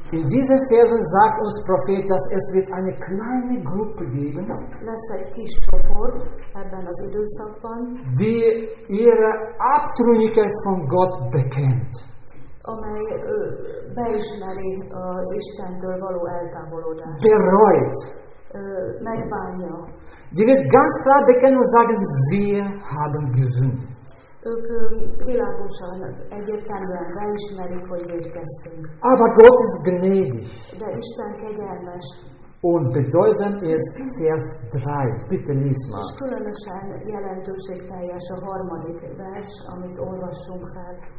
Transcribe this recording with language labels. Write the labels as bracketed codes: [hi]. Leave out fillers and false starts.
[de] In diesen Versen sagt uns Prophet, dass es wird eine kleine Gruppe geben, [hu] lesz egy kis csoport ebben az időszakban, [de] die ihre Abtrünnigkeit von Gott bekennt. [hu] Amely beismeri az Istentől való eltávolodást. [de] Bereut. [hu] Megbánja. [de] Die wird ganz klar bekennen und sagen, wir haben gesündigt. [hu] Ők világosan, egyértelműen beismerik, hogy vétkeztünk. [de] Aber Gott ist gnädig. [hu] De Isten kegyelmes. [de] Und bedeutend ist Vers 3. Bitte lies mal. [hu] És különösen jelentőségteljes a harmadik vers, amit olvassunk fel.